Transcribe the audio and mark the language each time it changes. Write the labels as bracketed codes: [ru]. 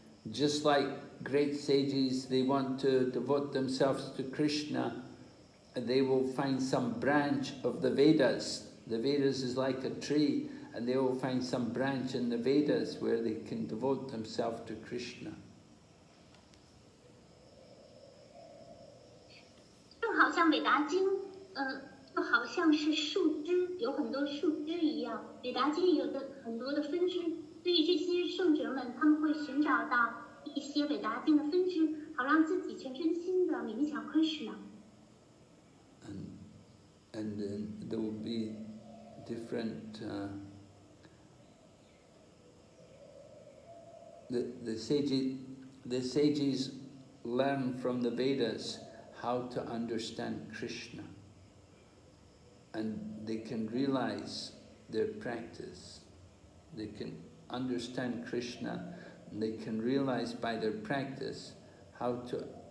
[en] Just like great sages, they want to devote themselves to Krishna, and they will find some branch of the Vedas. The Vedas is like a tree, and they will find some branch in the Vedas where they can devote themselves to Krishna. [zh] 美达金，就好像是树枝，有很多树枝一样，美达金有的很多的分支，对于这些圣者们，他们会寻找到一些美达金的分支，好让自己全身心的冥想 Krishna。 [en] And then there will be different, the sages learn from the Vedas how to understand Krishna, and they can realize their practice, they can understand Krishna, and they can realize by their practice how to